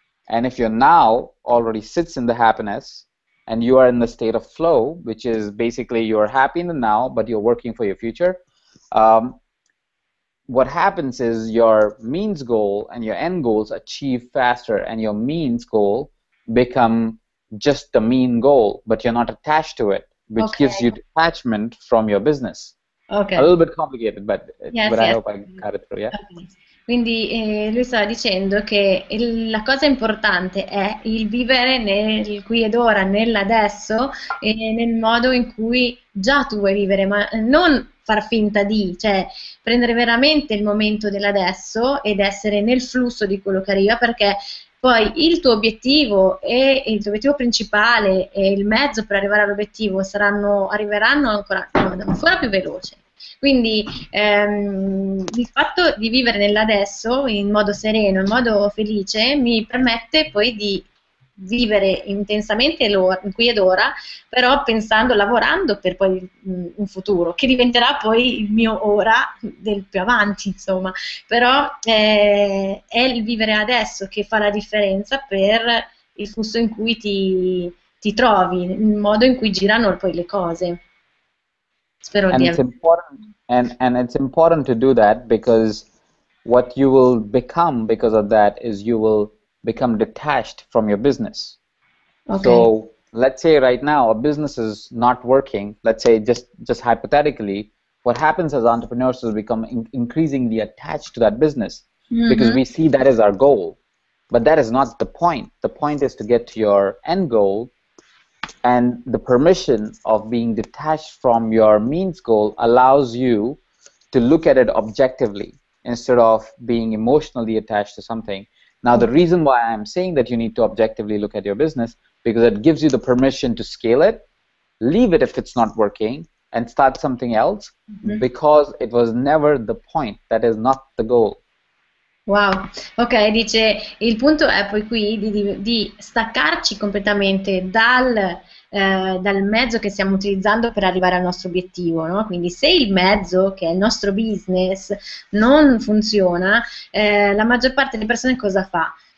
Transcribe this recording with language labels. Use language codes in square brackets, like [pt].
[en] And if your now already sits in the happiness and you are in the state of flow, which is basically you're happy in the now, but you're working for your future, what happens is your means goal and your end goals achieve faster, and your means goal become just the mean goal, but you're not attached to it, which gives you detachment from your business. Okay. A little bit complicated, but I hope I got it through, yeah? Okay. [it] Quindi lui stava dicendo che la cosa importante è il vivere nel qui ed ora, nell'adesso, e nel modo in cui già tu vuoi vivere, ma non far finta di, cioè prendere veramente il momento dell'adesso ed essere nel flusso di quello che arriva, perché poi il tuo obiettivo e il tuo obiettivo principale e il mezzo per arrivare all'obiettivo arriveranno ancora più veloce. Quindi il fatto di vivere nell'adesso in modo sereno, in modo felice, mi permette poi di vivere intensamente in qui ed ora, però pensando, lavorando per poi un futuro che diventerà poi il mio ora del più avanti, insomma. Però è il vivere adesso che fa la differenza per il flusso in cui ti trovi, il modo in cui girano poi le cose. Spero [en] and [it] di [en] it's important, and it's important to do that, because what you will become because of that is you will become detached from your business. Okay. So let's say right now a business is not working. Let's say just hypothetically, what happens as entrepreneurs is become increasingly attached to that business, mm-hmm. because we see that is our goal. But that is not the point. The point is to get to your end goal, and the permission of being detached from your means goal allows you to look at it objectively instead of being emotionally attached to something. Now, the reason why I'm saying that you need to objectively look at your business, because it gives you the permission to scale it, leave it if it's not working, and start something else, mm-hmm. because it was never the point, that is not the goal. [it] Wow, ok, dice, il punto è poi qui di staccarci completamente dal mezzo che stiamo utilizzando per arrivare al nostro obiettivo, no? Quindi se il mezzo, che è il nostro business, non funziona, la maggior parte delle persone cosa fa?